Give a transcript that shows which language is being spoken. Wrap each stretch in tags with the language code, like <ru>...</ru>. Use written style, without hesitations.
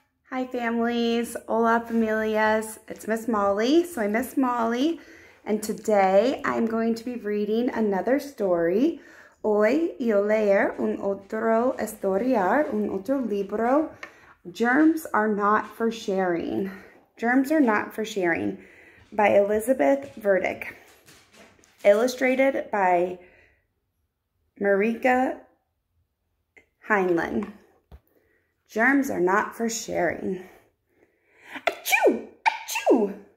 <en>Hi families,</en> <es>hola familias,</es> <en>it's Miss Molly,</en> <es>Soy Miss Molly,</es> <en>and today I'm going to be reading another story.</en> <es>Hoy yo leer un otro historiar, un otro libro.</es> <en>Germs Are Not for Sharing. Germs Are Not for Sharing by Elizabeth Verdick. Illustrated by Marika Heinlein. Germs are not for sharing. Achoo! Achoo!</en>